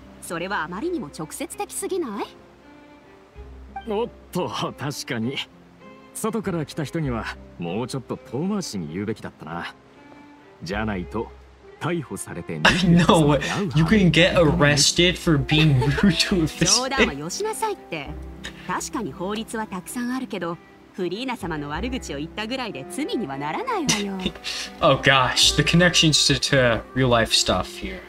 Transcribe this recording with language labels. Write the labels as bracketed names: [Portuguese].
[Japanese] それはあまりにも直接的すぎない？おっと、確かに。外から来た人にはもうちょっと遠回しに言うべきだったな。じゃないと逮捕されて。 [English] I know what. You can get arrested for being rude to this. [Japanese] 冗談はよしなさいって。確かに法律はたくさんあるけど、フリーナ様の悪口を言ったぐらいで罪にはならないわよ。 [English] Oh gosh, the connections to real life stuff here.